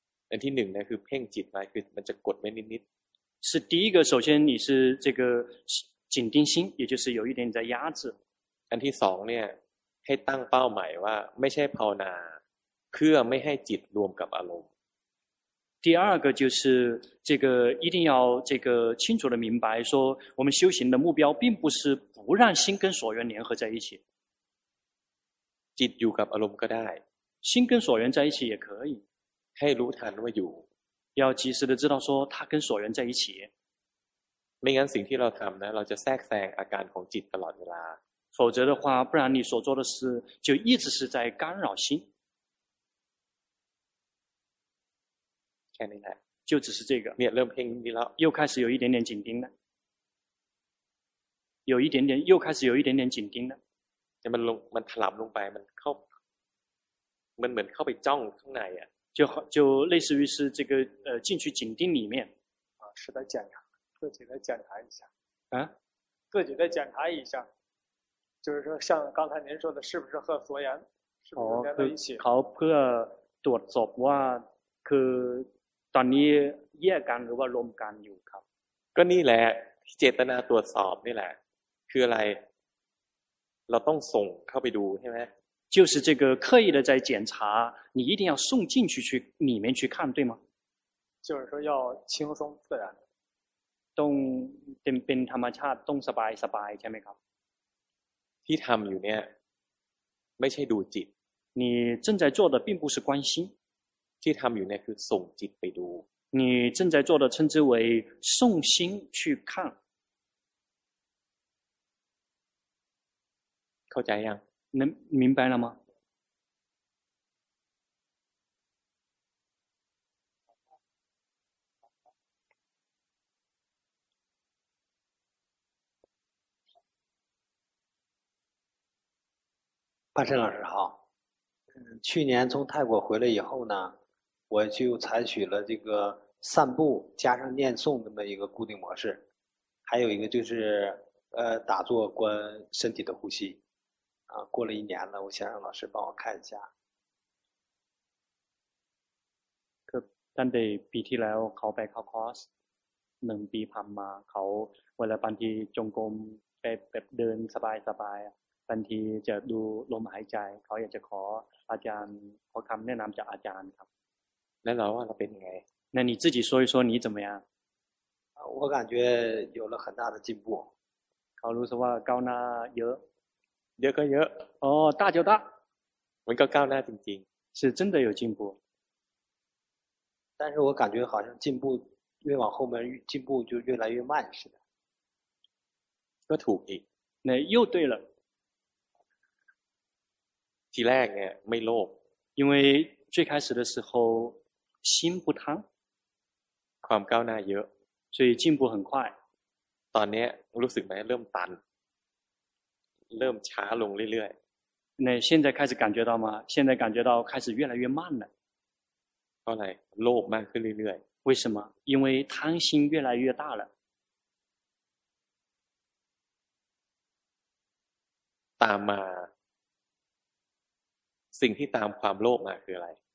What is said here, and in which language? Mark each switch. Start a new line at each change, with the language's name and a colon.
Thai: อันที่หนึ่งนะคือเพ่งจิตไว้คือมันจะกดไว้นิดนิด
Chinese: 是第一个首先你是这个紧盯心也就是有一点在压制
Thai: อันที่สองเนี่ยให้ตั้งเป้าหมายว่าไม่ใช่ภาวนาเพื่อไม่ให้จิตรวมกับอารมณ์
Chinese: 第二个就是这个一定要这个清楚的明白说我们修行的目标并不是不让心跟所缘联合在一起
Thai: จิตอยู่กับอารมณ์ก็ได้
Chinese: 心跟所缘在一起也可以
Thai: ให้รู้ทันว่าอยู่
Chinese: 要及时的知道说它跟所缘在一起
Thai: ไม่งั้นสิ่งที่เราทำนะเราจะแทรกแซงอาการของจิตตลอดเวลา
Chinese: 否则的话不然你所做的事就一直是在干扰心
Thai: แค่นี้แหละ
Chinese: 就只是这个
Thai: เนี่ยเริ่มเพ่งนี่แล้ว
Chinese: 又开始有一点点紧盯了有一点点又开始有一点点紧盯了
Thai: แต่มันถลำลงไปมันเข้ามันเหมือนเข้าไปจ้องข้างในอ่ะ
Chinese: 就类似于是这个进去紧盯里面啊是的检查自己的检查一下啊自己的检查一下就是说像刚才您说的是不是和所缘是不是连在一起
Thai: เขาเพื่อตรวจสอบว่าคือตอนนี้แยกกันหรือว่ารวมกันอยู่ครับ ก็นี่แหละที่เจตนาตรวจสอบนี่แหละคืออะไรเราต้องส่งเข้าไปดูใช่ไหม
Chinese: 就是这个刻意的在检查你一定要送进去去里面去看对吗就是说要轻松自然
Thai: 动เป็นธรรมชาติต้องสบายสบายใช่ไหมครับ ที่ทำอยู่เนี่ยไม่ใช่ดูจิต
Chinese: 你正在做的并不是关心
Thai: ที่ทำอยู่เนี่ยคือส่งจิตไปดู
Chinese: 你正在做的称之为送心去看
Thai: เข้าใจยัง
Chinese: 能明白了吗？巴晨老师好。去年从泰国回来以后呢，我就采取了这个散步加上念诵这么一个固定模式，还有一个就是打坐观身体的呼吸。啊，过了一年了，我想让老师帮我看一下。
Thai: ก็ตั้งแต่ปีที่แล้วเขาไปเข้าคอร์สหนึ่งปีผ่านมาเขาเวลาบางทีจงกรมไปแบบเดินสบายสบายบางทีจะดูลมหายใจเขาอยากจะขออาจารย์ขอคำแนะนำจากอาจารย์ครับ แล้วเราว่าเราเป็นไง
Chinese: 那你自己说一说你怎么样我感觉有了很大的进步
Thai: เขารู้สึกว่าก้าวหน้าเยอะ เยอะก็เยอะ
Chinese: อ๋อ大就大
Thai: มันก็ก้าวหน้าจริง
Chinese: ๆ是真的有进步但是我感觉好像进步越往后面进步就越来越慢似的
Thai: ก็ถูกอีก
Chinese: นะ又对了
Thai: ทีแรกเนี่ยไม่โลภ
Chinese: 因为最开始的时候心不贪
Thai: ความก้าวหน้าเยอะ
Chinese: 所以进步很快
Thai: ตอนนี้รู้สึกไหมเริ่มตันเริ่มช้าลงเรื่อย
Chinese: ๆ那现在开始感觉到吗现在感觉到开始越来越慢了
Thai: เพราะอะไรโลภมากขึ้นเรื่อย
Chinese: ๆ为什么因为贪心越来越大了
Thai: ตามมาสิ่งที่ตามความโลภมาคืออะไร